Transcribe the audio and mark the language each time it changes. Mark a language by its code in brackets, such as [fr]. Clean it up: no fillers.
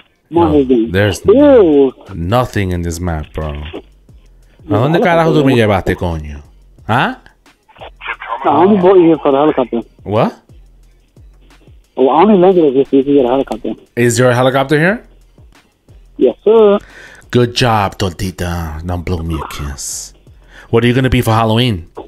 [en] No, there's nothing in this map, bro. [es] ¿A dónde carajo tú me llevaste, coño? ¿Ah? [en] No, I only brought you here for the helicopter. What? Well, I only landed here so you can get a helicopter. Is there a helicopter here? Yes, sir. Good job, Tortita. Now blow me a kiss. What are you going to be for Halloween?